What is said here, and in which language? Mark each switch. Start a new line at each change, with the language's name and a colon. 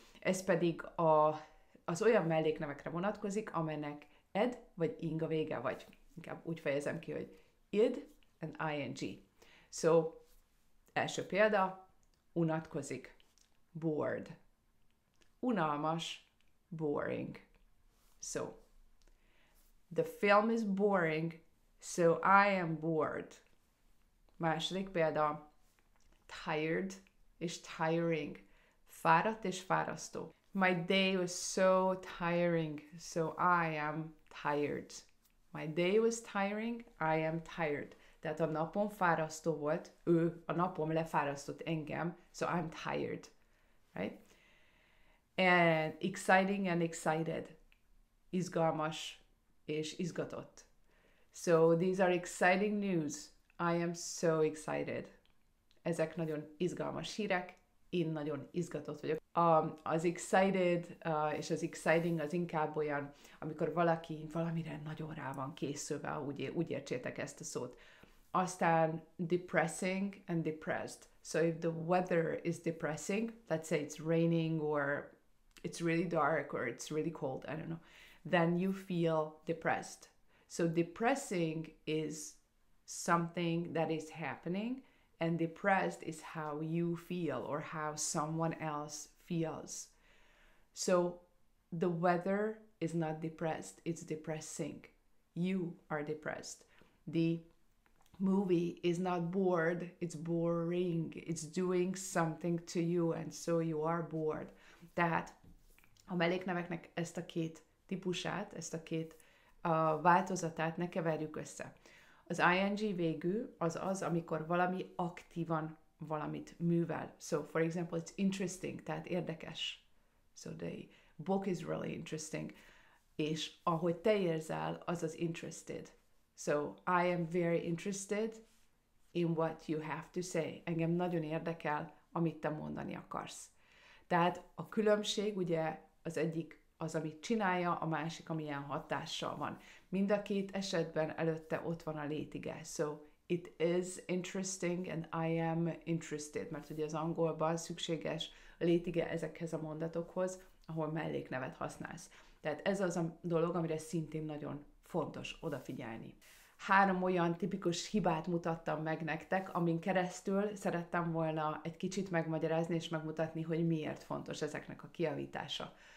Hungarian: Ez pedig az olyan melléknevekre vonatkozik, amelynek ed vagy ing a vége, vagy inkább úgy fejezem ki, hogy id and ing. So, első példa, unatkozik, bored. Unalmas, boring.
English: So, the film is boring, so I am bored.
Hungarian: Második példa, tired és tiring, fáradt és fárasztó.
English: My day was so tiring, so I am tired. My day was tiring, I am tired.
Hungarian: Tehát a napom fárasztó volt, ő a napom lefárasztott engem,
English: so I'm tired. Right? And exciting and excited.
Hungarian: Izgalmas és izgatott.
English: So these are exciting news. I am so excited.
Hungarian: Ezek nagyon izgalmas hírek, én nagyon izgatott vagyok. Az excited és az exciting az inkább olyan, amikor valaki valamire nagyon rá van készülve, úgy értsétek ezt a szót.
English: Aztán depressing and depressed. So if the weather is depressing, let's say it's raining or it's really dark or it's really cold, I don't know, then you feel depressed. So depressing is something that is happening and depressed is how you feel or how someone else feels. So the weather is not depressed, it's depressing. You are depressed. The movie is not bored, it's boring. It's doing something to you and so you are bored.
Hungarian: Tehát a melléknemeknek ezt a két típusát, ezt a két változatát ne keverjük össze. Az ing végű az az, amikor valami aktívan valamit művel.
English: So, for example, it's interesting,
Hungarian: tehát érdekes.
English: So, the book is really interesting.
Hungarian: És ahogy te érzel, az az interested.
English: So, I am very interested in what you have to say.
Hungarian: Engem nagyon érdekel, amit te mondani akarsz. Tehát a különbség ugye az egyik az, amit csinálja, a másik, amilyen hatással van. Mind a két esetben előtte ott van a létige.
English: So, it is interesting and I am interested.
Hungarian: Mert ugye az angolban szükséges létige ezekhez a mondatokhoz, ahol melléknevet használsz. Tehát ez az a dolog, amire szintén nagyon fontos odafigyelni. Három olyan tipikus hibát mutattam meg nektek, amin keresztül szerettem volna egy kicsit megmagyarázni és megmutatni, hogy miért fontos ezeknek a kijavítása.